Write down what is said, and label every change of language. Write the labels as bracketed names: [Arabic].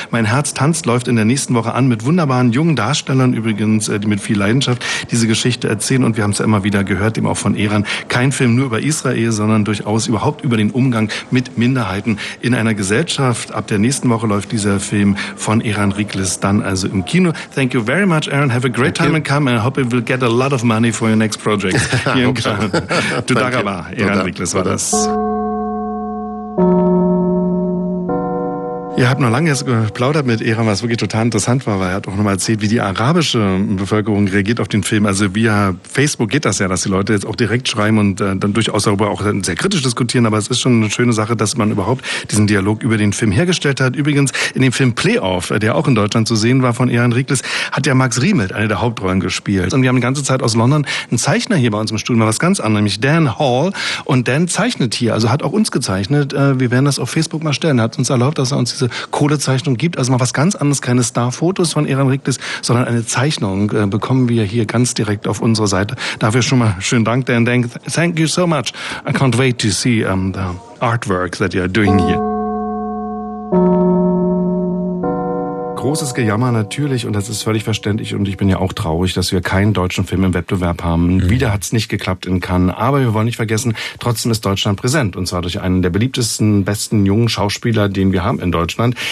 [German] Mein Herz tanzt läuft in der nächsten Woche an mit wunderbaren jungen Darstellern übrigens, die mit viel Leidenschaft diese Geschichte erzählen. Und wir haben es ja immer wieder gehört, eben auch von Eran. Kein Film nur über Israel, sondern durchaus überhaupt über den Umgang mit Minderheiten in einer Gesellschaft. Ab der nächsten Woche läuft dieser Film von Eran Riklis dann also im Kino. [English] Thank you very much, Eran. Have a great Thank time you. And come. And I hope you will get a lot of money for your next project. [German] Tudagaba, Eran. Niklas war das. Ihr habt noch lange jetzt geplaudert mit Eran, was wirklich total interessant war, weil er hat auch nochmal erzählt, wie die arabische Bevölkerung reagiert auf den Film. Also via Facebook geht das ja, dass die Leute jetzt auch direkt schreiben und dann durchaus darüber auch sehr kritisch diskutieren. Aber es ist schon eine schöne Sache, dass man überhaupt diesen Dialog über den Film hergestellt hat. Übrigens in dem Film Playoff, der auch in Deutschland zu sehen war von Eran Riklis, hat ja Max Riemelt eine der Hauptrollen gespielt. Und wir haben die ganze Zeit aus London einen Zeichner hier bei uns im Studio, mal was ganz anderes, nämlich Dan Hall. Und Dan zeichnet hier, also hat auch uns gezeichnet. Wir werden das auf Facebook mal stellen. Er hat uns erlaubt, dass er uns diese Kohlezeichnung gibt, also mal was ganz anderes, keine Star-Fotos von Eran Riklis, sondern eine Zeichnung bekommen wir hier ganz direkt auf unserer Seite. Dafür schon mal schönen Dank, Dan. [English] Thank you so much. I can't wait to see the artwork that you're doing here. [German] Großes Gejammer natürlich, und das ist völlig verständlich, und ich bin ja auch traurig, dass wir keinen deutschen Film im Wettbewerb haben. Mhm. Wieder hat es nicht geklappt in Cannes, aber wir wollen nicht vergessen, trotzdem ist Deutschland präsent, und zwar durch einen der beliebtesten, besten jungen Schauspieler, den wir haben in Deutschland.